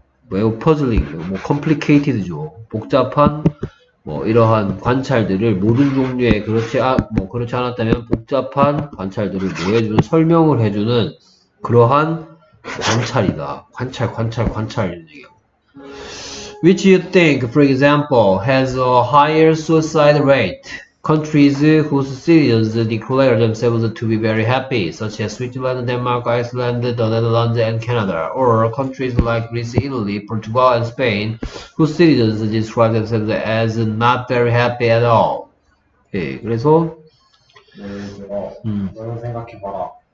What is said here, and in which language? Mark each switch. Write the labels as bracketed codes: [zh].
[ko] 매우 퍼즐링, 뭐 컴플리케이티드죠. 복잡한 뭐 이러한 관찰들을 모든 종류의 그렇지 않았다면 복잡한 관찰들을 뭐 해주는 설명을 해주는 그러한 관찰이다. 관찰 이런 얘기야. [en] Which you think, for example, has a higher suicide rate? Countries whose citizens declare themselves to be very happy, such as Switzerland, Denmark, Iceland, the Netherlands, and Canada, or countries like Greece, Italy, Portugal, and Spain, whose citizens describe themselves as not very happy at all. [ko] 예, 그래서, 예를 들어, 너는 생각해봐라.